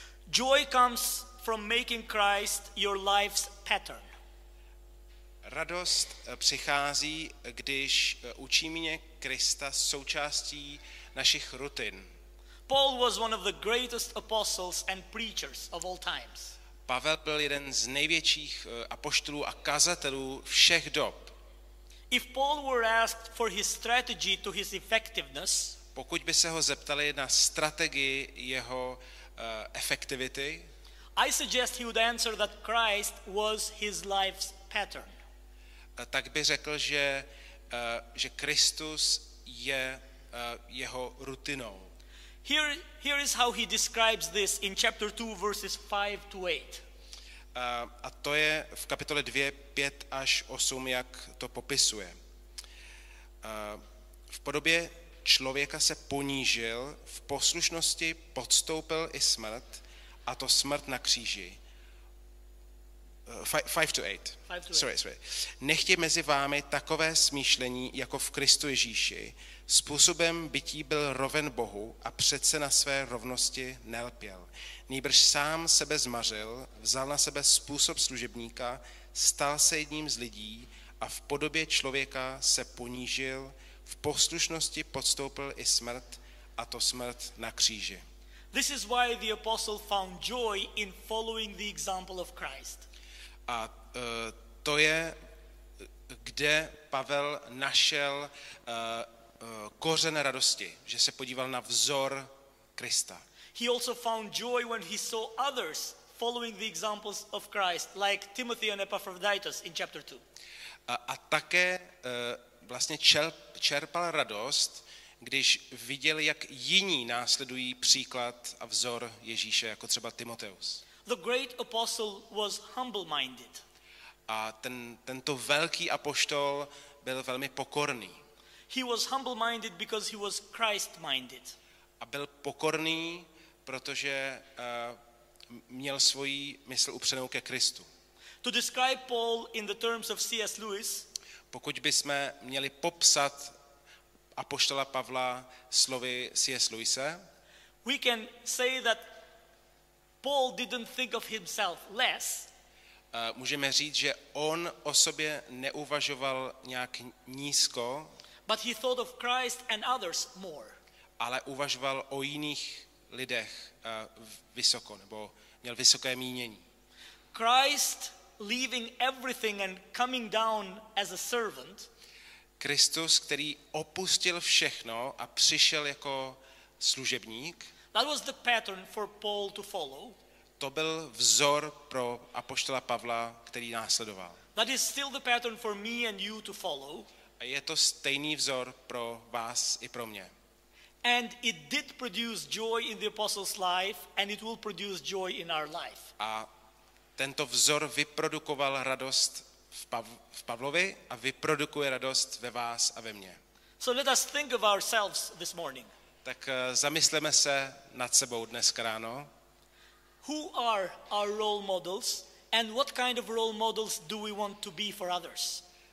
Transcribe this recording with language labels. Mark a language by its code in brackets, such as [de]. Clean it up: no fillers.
[en] Joy comes from making Christ your life's pattern. [cs] Radost přichází, když učiníme Krista součástí našich rutin. [en] Paul was one of the greatest apostles and preachers of all times. [cs] Pavel byl jeden z největších apoštolů a kazatelů všech dob. [en] If Paul were asked for his strategy to his effectiveness, [cs] pokud by se ho zeptali na strategii jeho efektivity, [en] I suggest he would answer that Christ was his life's pattern. [cs] Tak by řekl, že Kristus je jeho rutinou. [en] Here is how he describes this in chapter 2 verses 5 to 8. [cs] A to je v kapitole 2, 5 až 8, jak to popisuje. V podobě člověka se ponížil, v poslušnosti podstoupil i smrt, a to smrt na kříži. [en] 5 to 8. [cs] Nechtě mezi vámi takové smýšlení, jako v Kristu Ježíši, způsobem bytí byl roven Bohu a přece na své rovnosti nelpěl. Nýbrž sám sebe zmařil, vzal na sebe způsob služebníka, stal se jedním z lidí a v podobě člověka se ponížil, v poslušnosti podstoupil i smrt, a to smrt na kříži. [en] This is why the apostle found joy in following the example of Christ. [cs] A to je, kde Pavel našel kořen radosti, že se podíval na vzor Krista. [en] He also found joy when he saw others following the examples of Christ, like Timothy and Epaphroditus in chapter 2. [cs] A také vlastně čerpal radost, když viděl, jak jiní následují příklad a vzor Ježíše, jako třeba Timoteus. [en] The great apostle was humble-minded. [cs] A tento velký apoštol byl velmi pokorný. [en] He was humble-minded because he was Christ-minded. [cs] A byl pokorný, protože měl svoji mysl upřenou ke Kristu. [en] To describe Paul in the terms of C.S. Lewis, [cs] pokud bychom měli popsat apoštola Pavla slovy C.S. Lewise, [en] we can say that Paul didn't think of himself less. [cs] Můžeme říct, že on o sobě neuvažoval nějak nízko, [en] but he thought of Christ and others more. [cs] Ale uvažoval o jiných lidech vysoko, nebo měl vysoké mínění. [en] Christ leaving everything and coming down as a servant. [cs] Kristus, který opustil všechno a přišel jako služebník. [en] That was the pattern for Paul to follow. [cs] To byl vzor pro apoštola Pavla, který následoval. [en] That is still the pattern for me and you to follow. [cs] A je to stejný vzor pro vás i pro mě. [en] And it did produce joy in the apostle's life, and it will produce joy in our life. [cs] A tento vzor vyprodukoval radost v Pavlovi a vyprodukuje radost ve vás a ve mně. [en] So let us think of ourselves this morning. [cs] Tak zamysleme se nad sebou dnes ráno. [en] Who are our role models and what kind of role models do we want to be for others?